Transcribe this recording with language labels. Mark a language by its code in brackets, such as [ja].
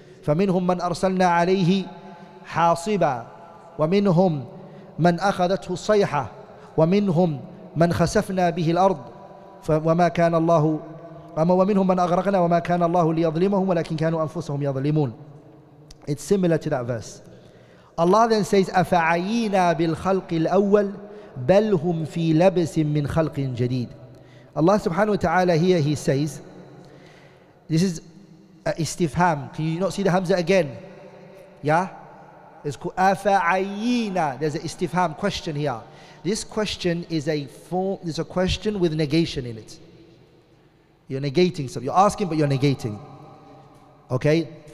[ar] فَمِنْهُمْ مَنْ أَرْسَلْنَا عَلَيْهِ حَاصِبًا وَمِنْهُمْ مَنْ أَخَذَتْهُ الصَّيْحَةِ وَمِنْهُمْ مَنْ خَسَفْنَا بِهِ الْأَرْضِ فَوَمَا كَانَ اللَّهُ أَمَا وَمِنْهُمْ مَنْ أَغْرَقْنَا وَمَا كَانَ اللَّهُ لِيَظْلِمَهُمْ وَلَكِنْ كَانُوا أَنفُسَهُمْ يَظْلِمُونَ. [en] It's similar to that verse. [ar] Allah then says, أَفَعَيِّنَا بِالْخَلْقِ الْأَوَّلِ بَلْ هُمْ فِي لَبْسٍ مِّنْ خَلْقٍ جَدِيدٍ. [en] Allah subhanahu wa ta'ala here, he says, this is istifham. Can you not see the hamza again? Yeah? It's called afa'ayina. There's an istifham question here. This question is a form, it's a question with negation in it. You're negating something. You're asking, but you're negating. Okay?